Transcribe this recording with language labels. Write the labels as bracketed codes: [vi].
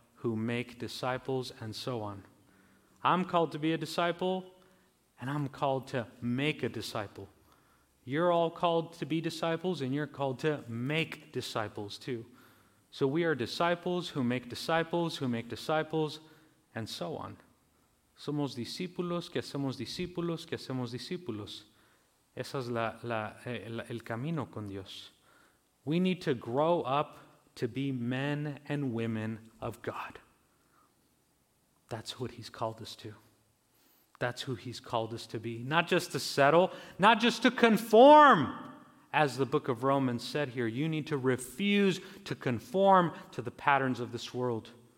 [en] Who make disciples and so on. I'm called to be a disciple, and I'm called to make a disciple. You're all called to be disciples, and you're called to make disciples too. So we are disciples who make disciples, who make disciples, and so on. [es] Somos discípulos, que hacemos discípulos, que hacemos discípulos. Esa es el camino con Dios. [en] We need to grow up to be men and women of God. That's what he's called us to. That's who he's called us to be. Not just to settle, not just to conform. As the book of Romans said here, you need to refuse to conform to the patterns of this world.